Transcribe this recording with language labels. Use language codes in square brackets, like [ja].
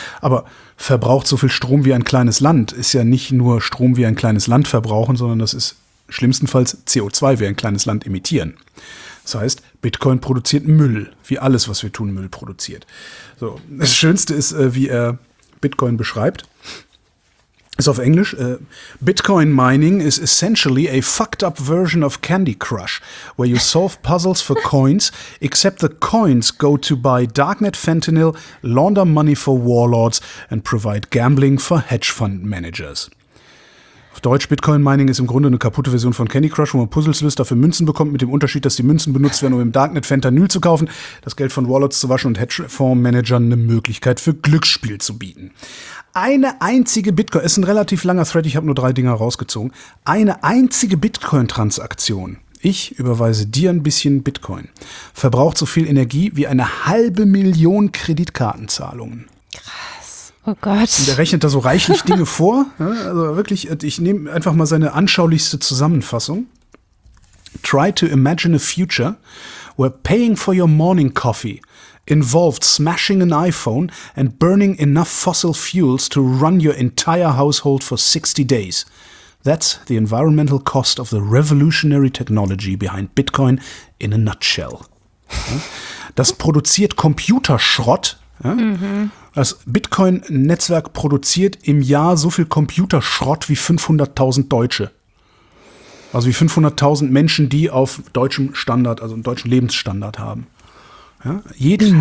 [de] Aber verbraucht so viel Strom wie ein kleines Land ist ja nicht nur Strom wie ein kleines Land verbrauchen, sondern das ist schlimmstenfalls CO2 wie ein kleines Land emittieren. Das heißt, Bitcoin produziert Müll, wie alles, was wir tun, Müll produziert. So, das Schönste ist, wie er Bitcoin beschreibt. Ist auf Englisch. [en] Bitcoin mining is essentially a fucked up version of Candy Crush, where you solve puzzles for coins, except the coins go to buy darknet fentanyl, launder money for warlords and provide gambling for hedge fund managers. [de] Auf Deutsch, Bitcoin Mining ist im Grunde eine kaputte Version von Candy Crush, wo man Puzzles löst, dafür Münzen bekommt, mit dem Unterschied, dass die Münzen benutzt werden, um im Darknet Fentanyl zu kaufen, das Geld von Wallets zu waschen und Hedgefondsmanagern eine Möglichkeit für Glücksspiel zu bieten. Eine einzige Bitcoin, ist ein relativ langer Thread, ich habe nur drei Dinger rausgezogen. Eine einzige Bitcoin-Transaktion. Ich überweise dir ein bisschen Bitcoin. Verbraucht so viel Energie wie eine 500.000 Kreditkartenzahlungen. Krass. Oh Gott. Und der rechnet da so reichlich Dinge vor. Also wirklich, ich nehme einfach mal seine anschaulichste Zusammenfassung. [en] Try to imagine a future where paying for your morning coffee involved smashing an iPhone and burning enough fossil fuels to run your entire household for 60 days. That's the environmental cost of the revolutionary technology behind Bitcoin in a nutshell. [de] Das produziert Computerschrott. Das Bitcoin-Netzwerk produziert im Jahr so viel Computerschrott wie 500.000 Deutsche. Also wie 500.000 Menschen, die auf deutschem Standard, also einen deutschen Lebensstandard haben. Ja, jeden Krass.